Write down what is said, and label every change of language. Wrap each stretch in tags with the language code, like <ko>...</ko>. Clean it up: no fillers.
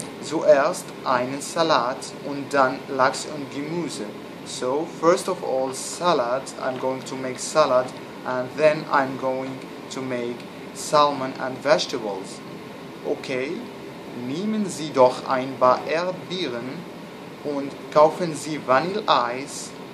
<de>Zuerst einen Salat und dann Lachs und Gemüse.</de> <en>So first of all salad, I'm going to make salad, and then I'm going to make salmon and vegetables.</en> <de>Okay, nehmen Sie doch ein paar Erdbeeren und kaufen Sie Vanilleeis.</de>